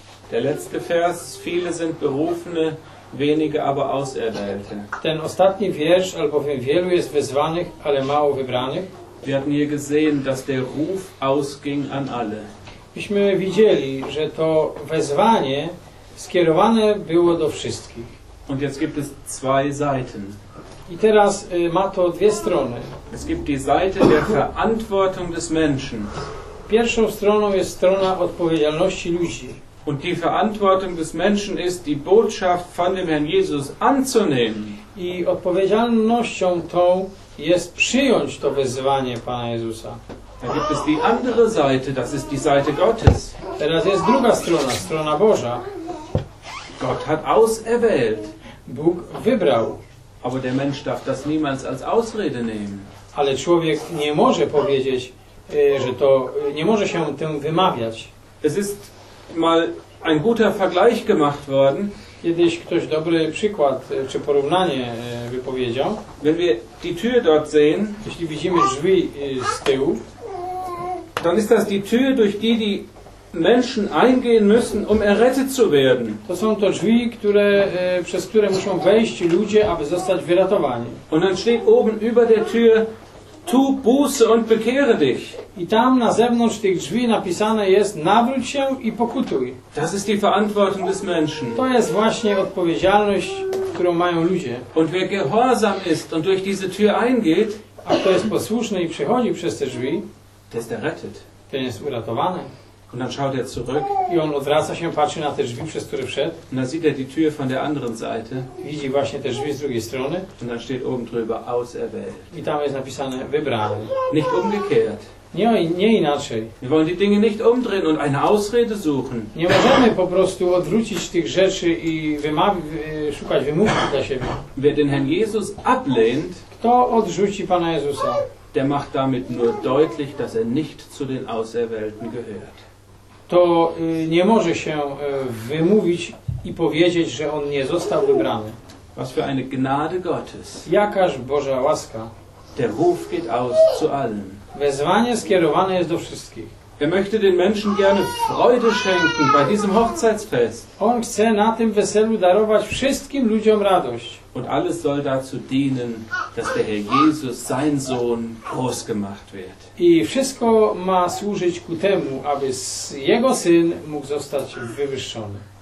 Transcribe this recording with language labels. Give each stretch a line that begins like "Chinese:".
German: Der letzte Vers, viele sind berufene, wenige aber auserwählte.
Polish: Ten ostatni wiersz, albowiem wielu jest wezwanych, ale mało wybranych.
German: Wir hatten hier gesehen, dass der Ruf ausging an alle.
Polish: Myśmy widzieli, że to wezwanie skierowane było do wszystkich.
German: Und jetzt gibt es zwei Seiten.
Polish: I teraz ma to dwie strony.
German: Es gibt die Seite der Verantwortung des Menschen.
Polish: Pierwszą stroną jest strona odpowiedzialności ludzi.
German: Und die Verantwortung des Menschen ist, die Botschaft von dem Herrn Jesus anzunehmen.
Polish: I odpowiedzialnością tą jest przyjąć to wezwanie Pana Jezusa.
German: Da gibt es die andere Seite, das ist die Seite Gottes.
Polish: Teraz jest druga strona, strona Boża.
German: Gott hat auserwählt.
Polish: Bóg wybrał.
German: Aber der Mensch darf das niemals als Ausrede nehmen.
Polish: Ale człowiek nie może powiedzieć, że to nie może się tym wymawiać.
German: Es ist mal ein guter Vergleich gemacht worden.
Polish: Kiedyś ktoś dobry przykład czy porównanie wypowiedział.
German: Wenn wir die Tür dort sehen,
Polish: jeśli widzimy drzwi z tyłu,
German: dann ist das die Tür, durch die die Menschen eingehen müssen, um errettet zu werden.
Polish: To są to drzwi, które, przez które muszą wejść ludzie, aby zostać wyratowani.
German: Und dann steht oben über der Tür, tu Buße und bekehre dich.
Polish: I tam na zewnątrz tych drzwi napisane jest, nawróć się i pokutuj.
German: Das ist die Verantwortung des Menschen.
Polish: To jest właśnie odpowiedzialność, którą mają ludzie.
German: Und wer gehorsam ist und durch diese Tür eingeht,
Polish: a kto jest posłuszny i przechodzi przez te drzwi,
German: der ist errettet.
Polish: Ten jest uratowany.
German: Und dann schaut er zurück.
Polish: I on odwraca się, patrzy na te drzwi, przez które wszedł.
German: Und dann sieht er die Tür von der anderen Seite.
Polish: Widzi właśnie te drzwi z drugiej strony.
German: Und dann steht oben drüber auserwählt.
Polish: I tam jest napisane wybrany.
German: Nicht umgekehrt.
Polish: Nie inaczej.
German: Wir wollen die Dinge nicht umdrehen und eine Ausrede suchen.
Polish: Nie możemy po prostu odwrócić tych rzeczy i szukać wymówki dla siebie.
German: Wer den Herrn Jesus ablehnt,
Polish: kto odrzuci Pana Jezusa,
German: der macht damit nur deutlich, dass er nicht zu den Auserwählten gehört.
Polish: To nie może się wymówić i powiedzieć, że on nie został wybrany.
German: Was für eine Gnade Gottes.
Polish: Jakaż Boża łaska.
German: Der Ruf geht aus zu allen.
Polish: Wezwanie skierowane jest do wszystkich.
German: Er möchte den Menschen gerne Freude schenken bei diesem Hochzeitsfest.
Polish: On chce na tym weselu darować wszystkim ludziom radość.
German: Und alles soll dazu dienen, dass der Herr Jesus, sein Sohn, groß gemacht wird.
Polish: I wszystko ma służyć ku temu, aby jego syn mógł zostać wywyższony.